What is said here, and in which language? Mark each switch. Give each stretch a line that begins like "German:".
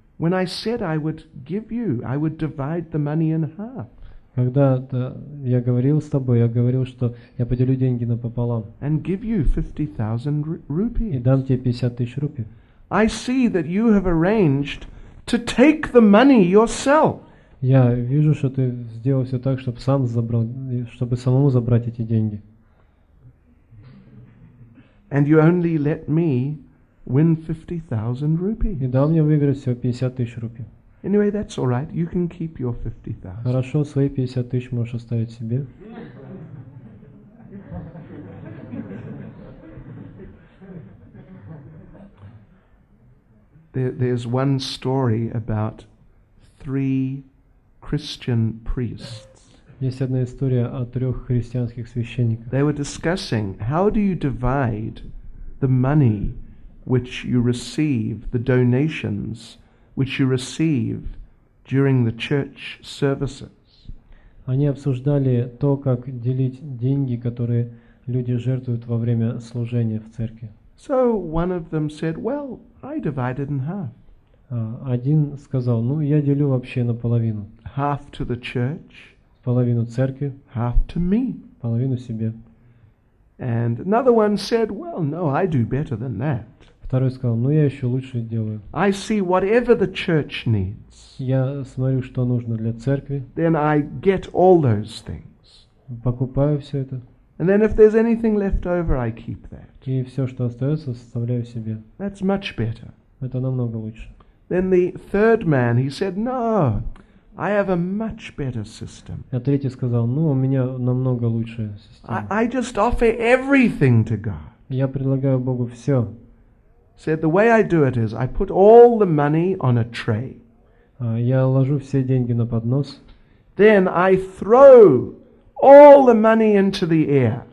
English: When I said I would give you, I would divide the money in half.
Russian: Когда я говорил с тобой, я говорил, что я поделю деньги напополам.
English: And give you 50,000 rupees.
Russian: И дам тебе 50,000 рупий.
English: I see that you have arranged to take the money yourself.
Russian: Я вижу, что ты сделал все так, чтобы самому забрать эти деньги.
English: And you only let me win 50,000 rupees.
Russian: И дал мне выиграть всего 50,000 рупий.
English: Anyway, that's all right. You can keep your 50,000.
Russian: Хорошо, свои 50,000 можешь оставить себе.
English: There's one story about three Christian priests.
Russian: Есть одна история о трех христианских священниках.
English: They were discussing how do you divide the money which you receive, the donations which you receive during the church services.
Russian: Они обсуждали то, как делить деньги, которые люди жертвуют во время служения в церкви.
English: So one of them said, "Well, I divided in half."
Russian: Один сказал, ну я делю вообще наполовину.
English: Half to the church.
Russian: Половину церкви.
English: Half to me.
Russian: Половину себе.
English: And another one said, "Well, no, I do better than that."
Russian: Второй сказал, ну я еще лучше делаю.
English: I see whatever the church needs.
Russian: Я смотрю, что нужно для церкви.
English: Then I get all those things.
Russian: Покупаю все это.
English: And then if there's anything left over, I keep that.
Russian: И все, что остается, оставляю себе.
English: That's much better.
Russian: Это намного лучше.
English: Then the third man, he said, "No, I have a much better system."
Russian: А третий сказал, ну у меня намного лучшая система.
English: I just offer everything to God.
Russian: Я предлагаю Богу все.
English: Said the way I do it is, I put all the money on a tray.
Russian: Я ложу все деньги на поднос.
English: Then I throw all the money into the air.